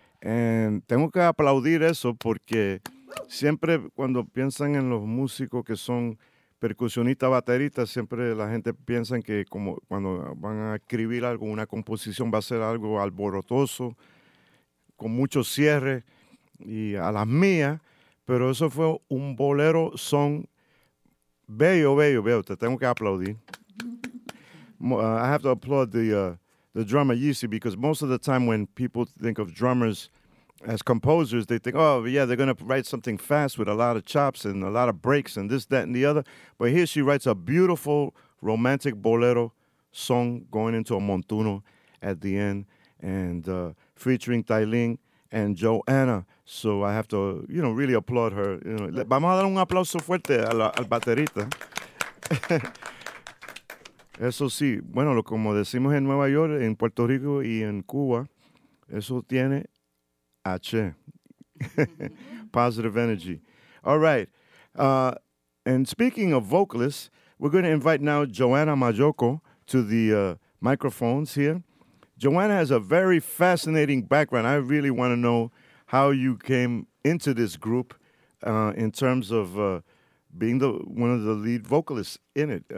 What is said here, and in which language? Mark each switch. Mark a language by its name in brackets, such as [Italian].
[Spanish] And tengo que aplaudir eso porque siempre cuando piensan en los músicos que son percusionistas, bateristas, siempre la gente piensa que como cuando van a escribir algo, una composición, va a ser algo alborotoso, con mucho cierre y a las mías. Pero eso fue un bolero son bello, bello, bello. Te tengo que aplaudir. [English] I have to applaud the drummer Yeezy, because most of the time when people think of drummers as composers, they think, oh yeah, they're going to write something fast with a lot of chops and a lot of breaks and this, that, and the other. But here she writes a beautiful romantic bolero song going into a montuno at the end, and featuring Tai Ling and Joanna. So I have to, you know, really applaud her. You know, [Spanish] vamos a dar un aplauso fuerte al baterista. Eso sí, bueno, como decimos en Nueva York, en Puerto Rico y en Cuba, eso tiene H. [English] Positive energy. All right. And speaking of vocalists, we're going to invite now Joanna Majoco to the microphones here. Joanna has a very fascinating background. I really want to know how you came into this group in terms of being one of the lead vocalists in it.